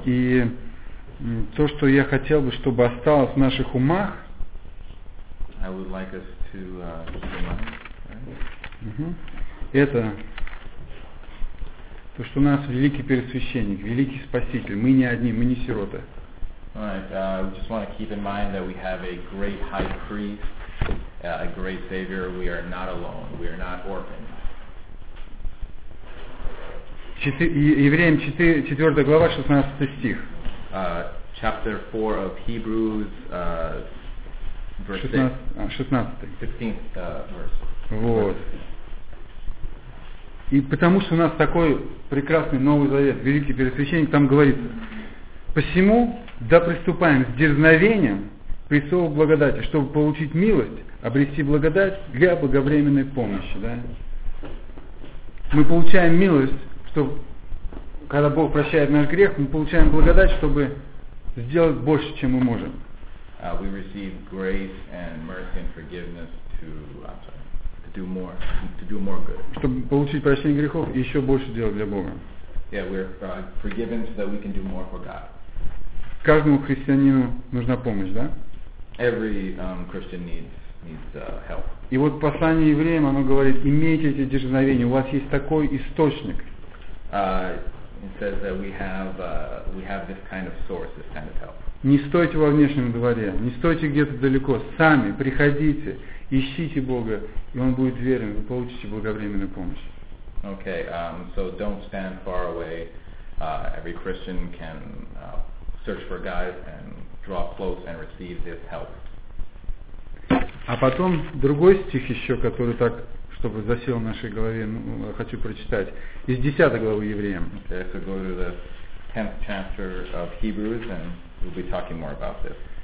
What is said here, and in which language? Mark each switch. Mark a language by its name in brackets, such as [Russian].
[Russian] И то, что я хотел бы, чтобы осталось в наших умах. [English] I would like us to keep in mind. [Russian] Это то, что у нас великий первосвященник, великий спаситель. Мы не одни, мы не сироты. [English] Alright, we just want to keep in mind that we have a great high priest, a great savior. We are not alone. We are not orphans. [Russian] Евреям 4 глава, 16 стих. [English] Chapter 4 of Hebrews, verse 16. 16th verse. [Russian] Вот. И потому что у нас такой прекрасный Новый Завет, великий Пересвященник, там говорится, посему... Да приступаем с дерзновением к престолу благодати, чтобы получить милость, обрести благодать для благовременной помощи. Да? Мы получаем милость, чтобы, когда Бог прощает наш грех, мы получаем благодать, чтобы сделать больше, чем мы можем. [English] We receive grace and mercy and forgiveness to do more good. [Russian] Чтобы получить прощение грехов и еще больше делать для Бога. [English] Yeah, we're forgiven so that we can do more for God. [Russian] Каждому христианину нужна помощь, да? [English] Every Christian needs help. [Russian] И вот послание евреям, оно говорит, имейте эти дерзновения, у вас есть такой источник. [English] It says that we have this kind of source, this kind of help. [Russian] Не стойте во внешнем дворе, не стойте где-то далеко, сами приходите, ищите Бога, и Он будет верен, вы получите благовременную помощь. [English] Okay, so don't stand far away. Every Christian can search for God and draw close and receive His help. [Russian] А потом другой стих еще, который так, чтобы засел в нашей голове, хочу прочитать. Из 10 главы Евреям. [English] Okay, so go to the 10th chapter of Hebrews and we'll be talking more about this.